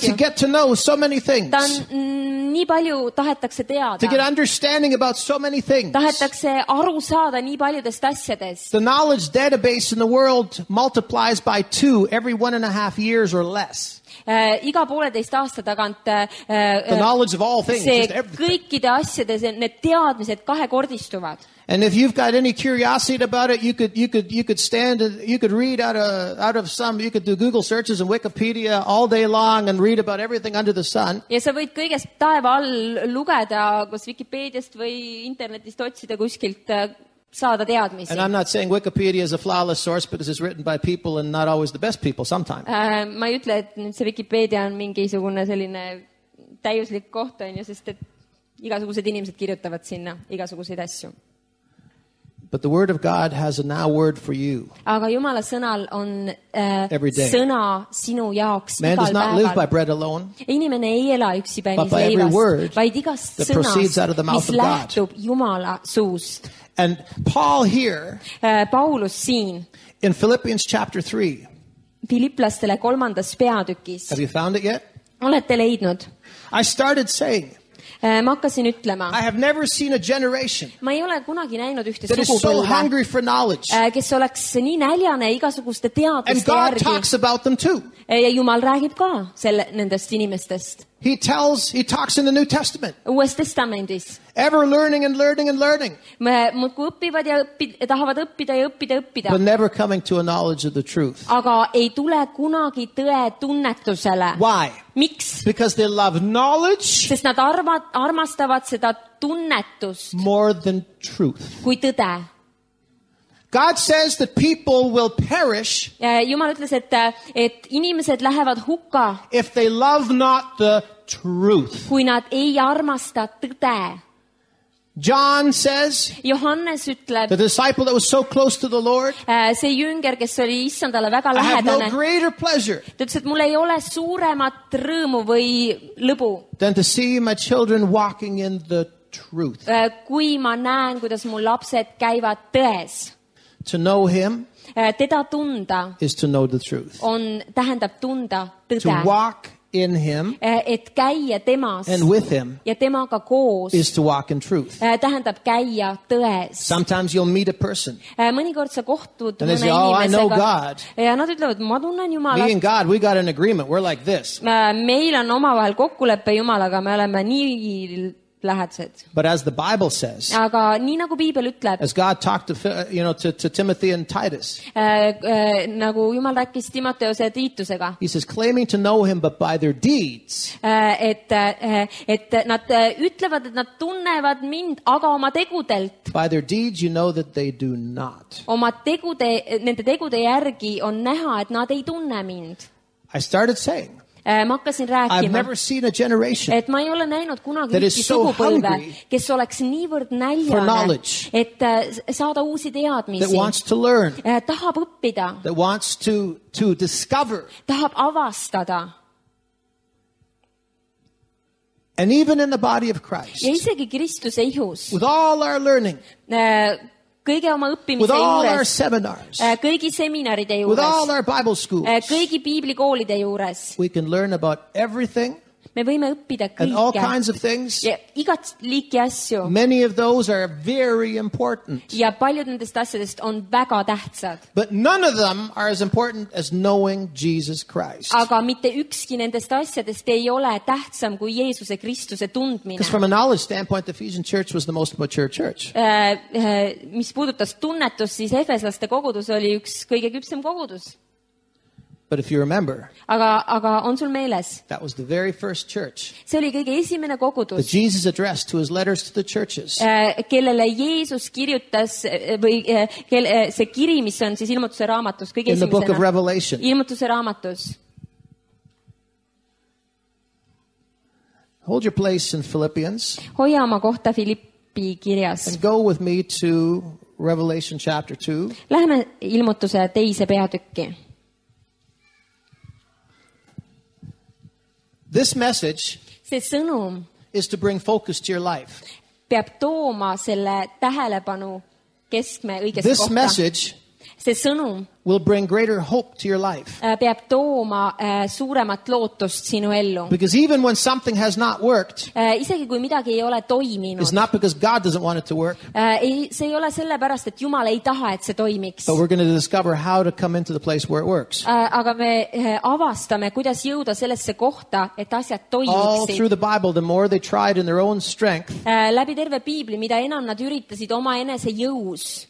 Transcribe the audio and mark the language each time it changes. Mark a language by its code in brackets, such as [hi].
[en] Wanting to get to know so many things. [et] Ta on nii palju tahetakse teada. [en] To get understanding about so many things. [et] Tahetakse aru saada nii paljudest asjadest. [en] The knowledge database in the world multiplies by 2 every 1.5 years or less. [et] Iga pooleteist aasta tagant [en] the knowledge of all things, [et] see kõikide asjade, need teadmised kahekordistuvad. [en] And if you've got any curiosity about it, you could stand and you could read out of some Google searches and Wikipedia all day long and read about everything under the sun. [et] Ja sa võid kõigest taeva all lugeda, kus Wikipediast või internetist otsida kuskilt saada teadmisi. [en] And I'm not saying Wikipedia is a flawless source because it's written by people and not always the best people sometimes. [et] Ma ütlen, et see Wikipedia on mingisugune selline täiuslik koht, on ju, sest et igasugused inimesed kirjutavad sinna igasuguseid asju. [en] But the word of God has a now word for you. [et] Aga Jumala sõnal on [en] every day. [et] Sõna sinu jaoks [en] man [et] igal [en] does not [et] päeval. [en] Live by bread alone. [et] Inimene ei ela üksi päinis leivast. [en] But by every word [et] vaid igas [en] that [et] sõnas, [en] proceeds out of the mouth of God. [et] Mis lähtub Jumala suust. [en] And Paul here [et] Paulus siin [en] in Philippians chapter 3 [et] Filipplastele kolmandas peatükis. [en] Have you found it yet? [et] Olete leidnud. [en] I started saying [et] ma hakkasin ütlema. [en] I have never seen a generation. [et] Ma ei ole kunagi näinud ühte sugupõlve. Kes oleks nii näljane igasuguste teaduste järgi. [en] And God talks about them too. [et] Ja Jumal räägib ka selle nendest inimestest. [en] He talks in the New Testament. [et] Uues testamentis. [en] Ever learning and learning and learning. [et] Mõtku õppivad ja tahavad õppida ja õppida. [en] But never coming to a knowledge of the truth. [et] Aga ei tule kunagi tõe tunnetusele. [en] Why? [et] Miks? [en] Because they love knowledge. [et] Sest nad armastavad seda tunnetust. [en] More than truth. [et] Kui tõde. [en] God says that people will perish. [et] Jumal ütles, et inimesed lähevad hukka. [en] If they love not the truth. [et] Kui nad ei armasta tõde. [en] John says, [et] Johannes ütleb, [en] the disciple that was so close to the Lord, [et] see jünger, kes oli issandale väga lähedane, [en] I have no greater pleasure [et] tõtles, et mul ei ole suuremat rõõmu või lõbu, [en] than to see my children walking in the truth. [et] Kui ma näen, kuidas mu lapsed käivad tões. [en] To know him [et] teda tunda [en] is to know the truth. [et] On tähendab tunda tõde. [en] To walk in him [et] et käia temas [en] and with him [et] ja temaga koos [en] is to walk in truth. [et] Tähendab käia tões. [en] Sometimes you'll meet a person [et] mõnikord sa kohtud mõne inimesega, [en] oh, I know God. [et] Ja nad ütlevad, ma tunnen Jumalat. [en] Me and God, we got an agreement, we're like this. [et] Meil on omavahel kokkulepe Jumalaga, me oleme nii lähedased. [en] But as the Bible says, [et] aga nii nagu Biibel ütleb, [en] as God talked to, you know, to Timothy and Titus, [et] nagu Jumal rääkis Timoteuse ja Tiitusega, [en] he says, claiming to know him, but by their deeds, [et] et nad ütlevad, et nad tunnevad mind, aga oma tegudelt, [en] by their deeds you know that they do not. [et] Oma tegude, nende tegude järgi on näha, et nad ei tunne mind. [en] I started saying, [et] ma hakkasin rääkima, [en] I've never seen a generation [et] et ma ei ole näinud kunagi sugupõlve, kes oleks niivõrd näljane, et saada uusi teadmisi, [en] that wants to learn, [et] tahab õppida, [en] that wants to discover, [et] tahab avastada. [en] And even in the body of Christ, [et] ja isegi Kristuse ihus, [en] with all our learning, [et] kõige oma õppimise [en] with all [et] juures, [en] our seminars, [et] kõigi seminaride juures, [en] with all our Bible schools, [et] kõigi biiblikoolide juures, [en] we can learn about everything, [et] me võime õppida kõike, [en] and all kinds of things, [et] ja igat liiki asju, [en] many of those are very important, [et] ja paljud nendest asjadest on väga tähtsad, [en] but none of them are as important as knowing Jesus Christ, [et] aga mitte ükski nendest asjadest ei ole tähtsam kui Jeesuse Kristuse tundmine, [en] because from a knowledge standpoint the Ephesian church was the most mature church, [et] mis puudutas tunnetus, siis Efeslaste kogudus oli üks kõige küpsem kogudus. [en] But if you remember, [et] aga on sul meeles, [en] that was the very first church, [et] see oli kõige esimene kogudus, [en] that Jesus addressed to his letters to the churches, [et] kellele Jeesus kirjutas, või see kiri, mis on siis ilmutuse raamatus, kõige [en] in the book of Revelation, [et] ilmutuse raamatus. [en] Hold your place in Philippians, [et] hoia oma kohta Filippi kirjas, [en] and go with me to Revelation chapter 2, [et] läheme ilmutuse teise peatükki. [en] This message, [et] see sõnum, [en] is to bring focus to your life. [et] Peab tooma selle tähelepanu keskme õigesse [en] this [et] kohta. [en] Message, [et] see sõnum, [en] will bring greater hope to your life. [et] Peab tooma suuremat lootust sinu ellu. [en] Because even when something has not worked, [et] isegi kui midagi ei ole toiminud, [en] it's not because God doesn't want it to work. [et] See ei ole sellepärast, et Jumal ei taha, et see toimiks. [en] But we're going to discover how to come into the place where it works. [et] Aga me avastame, kuidas jõuda sellesse kohta, et asjad toimiksid. [en] All through the Bible, the more they tried in their own strength, [et] läbi terve Biibli, mida enam nad üritasid oma enese jõus,